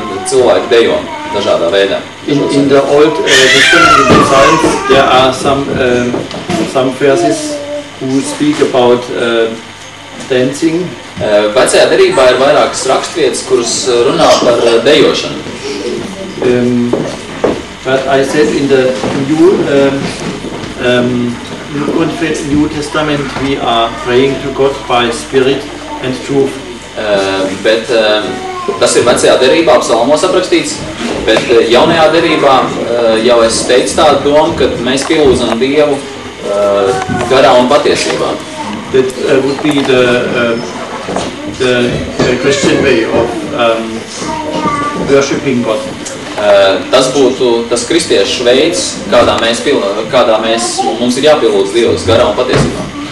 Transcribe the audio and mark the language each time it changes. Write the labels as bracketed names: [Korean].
[Latvian] Cilvēki dejo dažādā veidā. [English] In the old testament signs, there are some verses who speak about dancing. [Latvian] Vecajā derībā ir vairākas rakstvietas, kuras runā par dejošanu. [English] But I said in the New Testament we are praying to God by spirit and truth. [Latvian] Bet tas ir vecajā derībā, psalmos aprakstīts, bet jaunajā derībā jau es teicu tādu domu, ka mēs pielūdzam Dievu garā un patiesībā. [English] That would be the Christian way of worshiping God. [Latvian] Tas būtu tas kristiešu veids, kādā mēs mums ir jāpielūdz Dievu garā un patiesībā.